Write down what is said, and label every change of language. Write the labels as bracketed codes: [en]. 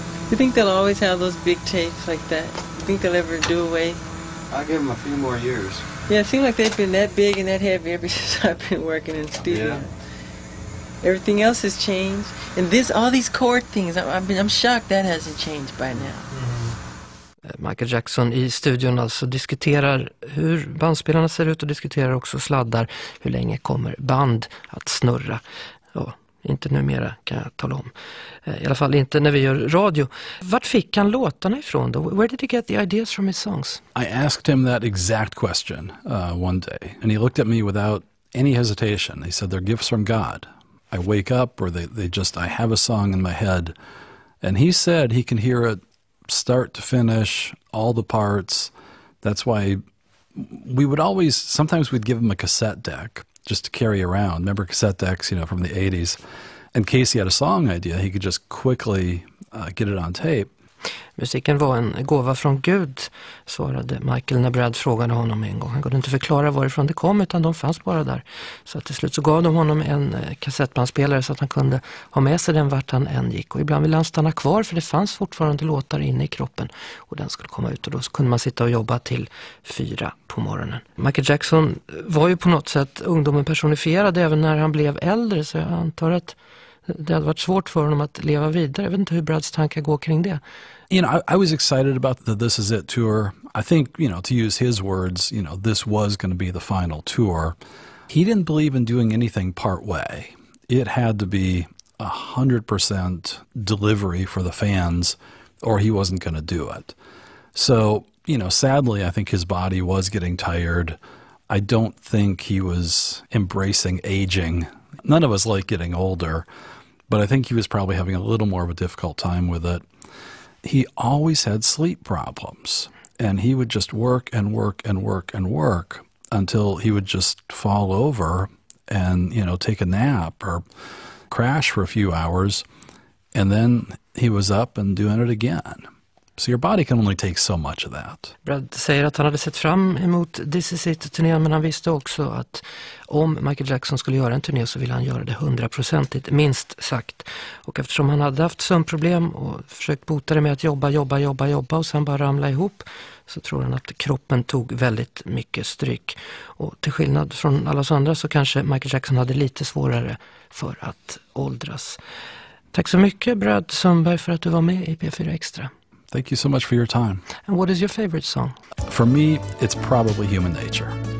[en] You think they'll always have those big tapes like that? You think they'll ever do away? I'll give them a few more years. Yeah, it seems like they've been that big and that heavy ever since I've been working in studio. Yeah. Everything else has changed. And this, all these chord things, I'm shocked that hasn't changed by now. [sv] Michael Jackson i studion alltså diskuterar hur bandspelarna ser ut och diskuterar också sladdar. Hur länge kommer band att snurra? Ja, inte numera kan jag tala om. I alla fall inte när vi gör radio. Vart fick han låtarna ifrån då? [en] Where did he get the ideas from his songs? I asked him that exact question one day. And he looked at me without any hesitation. He said, they're gifts from God. I wake up or I have a song in my head. And he said he can hear it. Start to finish, all the parts. That's why we would always, sometimes we'd give him a cassette deck just to carry around. Remember cassette decks, you know, from the 80s. In case he had a song idea, he could just quickly get it on tape. [sv] Musiken var en gåva från Gud, svarade Michael när Brad frågade honom en gång. Han kunde inte förklara varifrån det kom, utan de fanns bara där. Så till slut så gav de honom en kassettbandspelare så att han kunde ha med sig den vart han än gick. Och ibland ville han stanna kvar, för det fanns fortfarande låtar inne i kroppen och den skulle komma ut. Och då kunde man sitta och jobba till 4 på morgonen. Michael Jackson var ju på något sätt ungdomen personifierad även när han blev äldre, så jag antar att det hade varit svårt för honom att leva vidare. Jag vet inte hur Brads tankar går kring det. [en] You know, I was excited about the This Is It tour. I think, you know, to use his words, you know, this was going to be the final tour. He didn't believe in doing anything part way. It had to be 100% delivery for the fans, or he wasn't going to do it. So, you know, sadly, I think his body was getting tired. I don't think he was embracing aging. None of us like getting older, but I think he was probably having a little more of a difficult time with it. He always had sleep problems, and he would just work and work and work and work until he would just fall over and, you know, take a nap or crash for a few hours, and then he was up and doing it again. So your body can only take so much of that. [sv] Brad säger att han hade sett fram emot This Is It-turnén, men han visste också att om Michael Jackson skulle göra en turné så ville han göra det 100%, minst sagt. Och eftersom han hade haft sömnproblem och försökt bota det med att jobba och sen bara ramla ihop, så tror han att kroppen tog väldigt mycket stryk. Och till skillnad från alla andra så kanske Michael Jackson hade lite svårare för att åldras. Tack så mycket Brad Sundberg för att du var med i P4 Extra. [en] Thank you so much for your time. And what is your favorite song? For me, it's probably Human Nature.